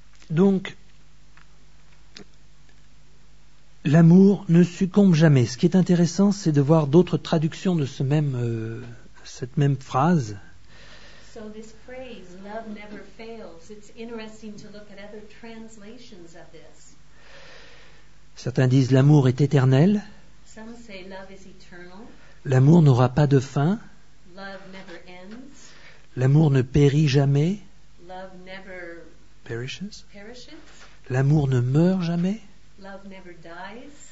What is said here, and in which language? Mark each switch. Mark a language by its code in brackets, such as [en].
[fr] Donc, l'amour ne succombe jamais. Ce qui est intéressant, c'est de voir d'autres traductions de ce même, cette même phrase. [en] So this phrase, love never fails. It's interesting to look at other translations of this. [fr] Certains disent l'amour est éternel. [en] Some say love is eternal. [fr] L'amour n'aura pas de fin. [en] Love never ends. [fr] L'amour ne périt jamais. [en] Love never perishes. Perishes. [fr] L'amour ne meurt jamais. [en] Love never dies.